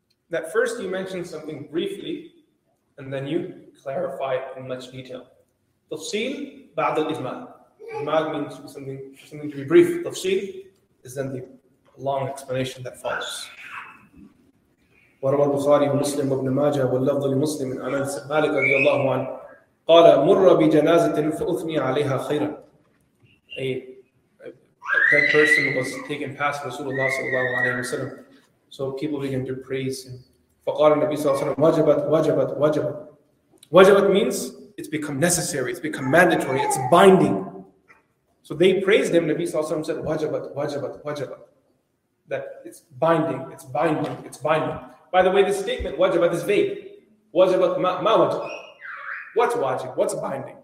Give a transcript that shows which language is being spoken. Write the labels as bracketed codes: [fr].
[en] That first you mention something briefly, and then you clarify in much detail. Tafsil ba'd al-ijmal. Ijmal means something to be brief. Tafsil is then the long explanation that follows. [ar] وروى البخاري ومسلم وابن ماجه واللفظ لمسلم من أنس بن مالك رضي الله عنه قال مر بجنازة فأثني عليها خيرا. [en] A dead person was taken past Rasulullah صلى الله عليه وسلم. So people began to praise him. [ar] فقال النبي صلى الله عليه وسلم وجبت وجبت وجبت. [en] وجبت means it's become necessary, it's become mandatory, it's binding. So they praised him. Nabi صلى الله عليه وسلم said [ar] وجبت وجبت وجبت. [en] That it's binding, it's binding, it's binding. By the way, this statement, wajibat, is vague. Wajibat ma wajibat. What's wajib? What's binding?